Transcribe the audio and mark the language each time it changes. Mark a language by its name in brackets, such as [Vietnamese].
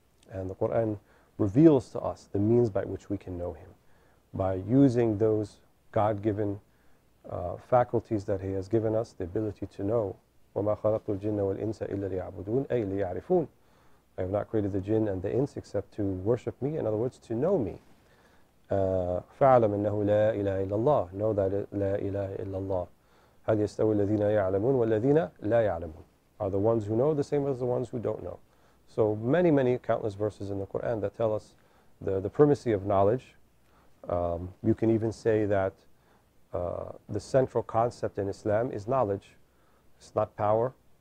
[English] And the Qur'an reveals to us the means by which we can know Him, by using those God-given faculties that He has given us, the ability to know. [Arabic] وَمَا خَلَقْتُ الْجِنَّ وَالْإِنسَ إِلَّا لِيَعْبُدُونَ أَيْ لِيَعْرِفُونَ. [English] I have not created the jinn and the ins except to worship me, in other words, to know me. [Arabic] فَعَلَمْ أَنَّهُ لَا إِلَهَ إِلَّا اللَّهُ. [English] Know that [Arabic] لَا إِلَهَ إِلَّا اللَّهُ. هَلْ يَسْتَوِي الَّذِينَ يَعْلَمُونَ وَالَّذِينَ لَا يَعْلَمُونَ. [English] Are the ones who know the same as the ones who don't know. So many, many countless verses in the Qur'an that tell us the primacy of knowledge. You can even say that the central concept in Islam is knowledge. It's not power.